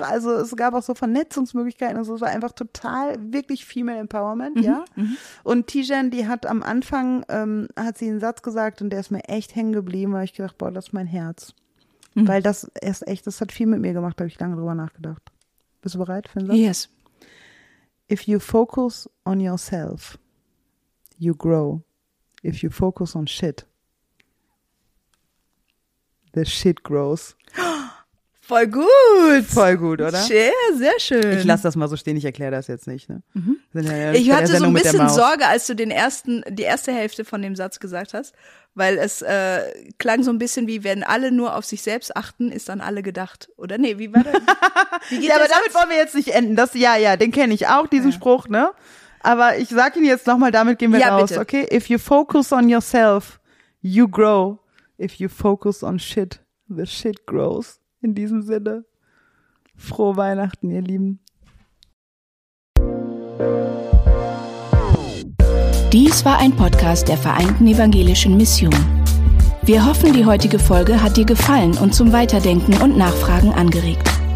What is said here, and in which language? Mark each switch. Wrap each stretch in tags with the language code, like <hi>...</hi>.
<de>Also es gab auch so Vernetzungsmöglichkeiten und so. Es war einfach total, wirklich Female Empowerment, ja. Mhm. Und Tijen, die hat am Anfang, hat sie einen Satz gesagt und der ist mir echt hängen geblieben, weil ich gedacht, boah, das ist mein Herz. Mhm. Weil das ist echt, das hat viel mit mir gemacht, da habe ich lange drüber nachgedacht. Bist du bereit für den Satz?</de> <en>Yes. If you focus on yourself, you grow. If you focus on shit, the shit grows.</en> <de>Voll gut. Voll gut, oder? Sehr, sehr schön. Ich lasse das mal so stehen, ich erkläre das jetzt nicht. Ne? Mhm. Ich hatte so ein bisschen Sorge, als du die erste Hälfte von dem Satz gesagt hast, weil es klang so ein bisschen wie, wenn alle nur auf sich selbst achten, ist an alle gedacht. Oder nee, wie war das? Wie geht ja, aber damit wollen wir jetzt nicht enden. Das, ja, ja, den kenne ich auch, diesen ja. Spruch. Ne? Aber ich sag ihn jetzt nochmal, damit gehen wir ja, raus. Bitte.</de> <en>Okay, if you focus on yourself, you grow. If you focus on shit, the shit grows.</en> <de>In diesem Sinne, frohe Weihnachten, ihr Lieben. Dies war ein Podcast der Vereinten Evangelischen Mission. Wir hoffen, die heutige Folge hat dir gefallen und zum Weiterdenken und Nachfragen angeregt.</de>